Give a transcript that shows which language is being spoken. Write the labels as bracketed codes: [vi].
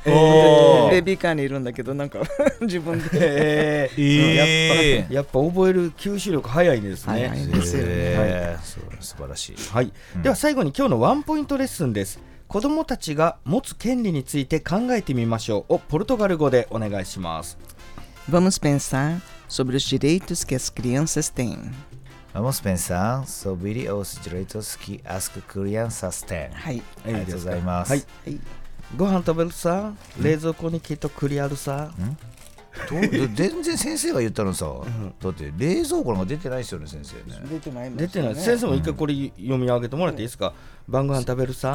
[ja] ベビーカーにいるんだけど、なんか自分で、やっぱ覚える吸収力早いですね。早いですよね、はい、素晴らしい、はい、うん、では最後に今日のワンポイントレッスンです。子どもたちが持つ権利について考えてみましょうをポルトガル語でお願いします。 [pt] Vamos pensar sobre os direitos que as crianças têm. Vamos pensar sobre os direitos que as crianças têm. [ja] はい、ありがとうございます。はい、ご飯食べるさ、冷蔵庫にきっと栗あるさ。全然先生が言ったのさ、うん、だって冷蔵庫なんか出てないですよね、先生ね。出てないね、出てない。先生も一回これ読み上げてもらっていいですか、うん、晩ご飯食べるさ、